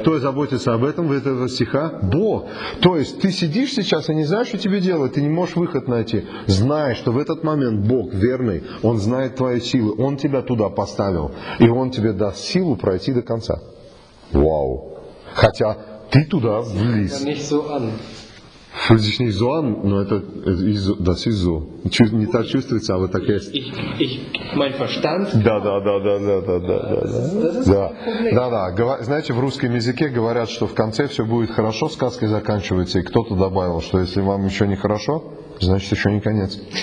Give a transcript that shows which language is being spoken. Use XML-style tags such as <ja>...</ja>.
<ru>Кто заботится об этом, в этого стиха? Бо. То есть, ты сидишь сейчас и не знаешь, что тебе делать, ты не можешь выход найти. Знай, что в этот момент Бог верный, Он знает твои силы, Он тебя туда поставил, и Он тебе даст силу пройти до конца. Вау. Хотя ты туда влез.</ru> <de>Fühlt sich nicht so an, nur das ist so.</de> <ru>Не так чувствуется, а вот так есть.</ru> <de>Mein Verstand.</de> <ru>Да. Знаете, в русском языке говорят, что в конце все будет хорошо, сказка заканчивается, и кто-то добавил, что если вам еще не хорошо, значит еще не конец.</ru>